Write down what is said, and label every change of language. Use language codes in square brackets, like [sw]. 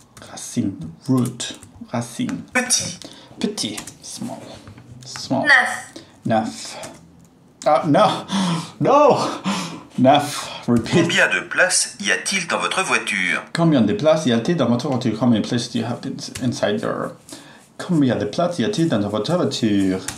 [fr] Racine. Root. Racine. Petit. Petit. Small. Neuf. Neuf. Ah, non. Neuf. Repeat. Combien de places y a-t-il dans votre voiture? Combien de places y a-t-il dans votre voiture? [en] How many places do you have inside your... [fr] Combien de places y a-t-il dans votre voiture?